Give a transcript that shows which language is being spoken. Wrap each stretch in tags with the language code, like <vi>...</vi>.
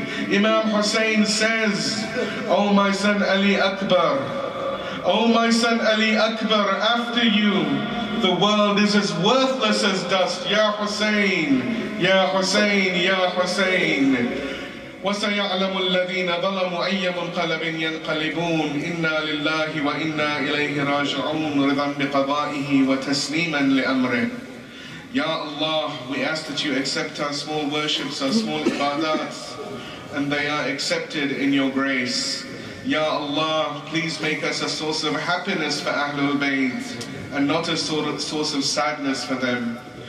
<en>Imam Hussein says, Oh my son Ali Akbar, Oh my son Ali Akbar, after you, the world is as worthless as dust.</en> <ar>Ya Hussein, Ya Hussein, Ya Hussein. وسيعلم الذين ظلموا أي منقلب ينقلبون إنا لله وإنا إليه راجعون رضا بقضائه وتسليما لأمره.</ar> <en>Ya Allah, we ask that you accept our small worships, our small ibadat, and they are accepted in your grace. Ya Allah, please make us a source of happiness for Ahlul Bayt, and not a source of sadness for them.</en>